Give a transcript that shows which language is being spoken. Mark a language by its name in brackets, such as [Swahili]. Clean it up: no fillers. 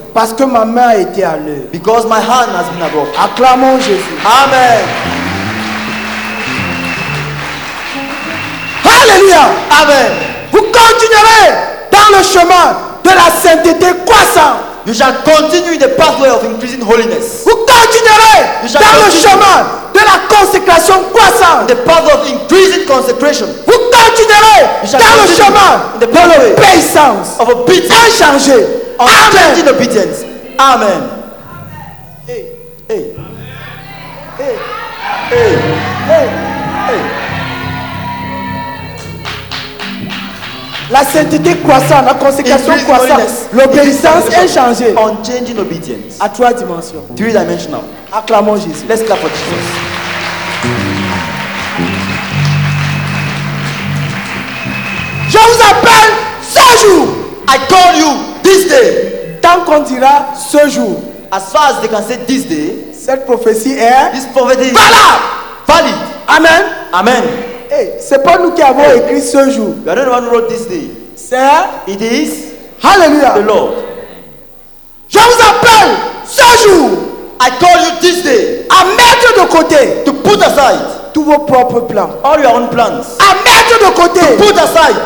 [French] Parce que ma main a été à l'œuvre. [English] Because my hand has been at work. [French] Acclamons Jésus. Amen. Alléluia. Amen. Vous continuerez dans le chemin de la sainteté croissante. [English] You shall continue in the pathway of increasing holiness. [French] Vous continuerez dans le chemin de la consécration croissante. [English] The path of increasing consecration. [French] Vous continuerez dans le chemin [English] in the pathway [French] de l'obéissance. [English] Of obedience. [French] Inchangé. [English] Of Amen. Changing obedience. Amen. Amen. Hey. Hey. Amen. Hey. Hey. Hey. Hey. [French] La sainteté croissante, la consécration croissante, l'obéissance est changée. [English] Unchanging obedience. [French] À trois dimensions. [English] Three dimensional. [French] Acclamons Jésus. [English] Let's clap for Jesus. [French] Je vous appelle ce jour. [English] I call you this day. [French] Tant qu'on dira ce jour. [English] As far as they can say this day. [French] Cette prophétie est. [English] This prophecy. [French] Valable. [English] Valid. Amen. Amen. [French] Hey, c'est pas nous qui avons écrit ce jour. [English] You are the one who wrote this day. Sir, it is. Hallelujah. The Lord. [French] Je vous appelle ce jour. [English] I call you this day. [French] À mettre de côté. [English] To put aside. [French] Tous vos propres plans. [English] All your own plans. [French] À mettre de côté. [English] To put aside.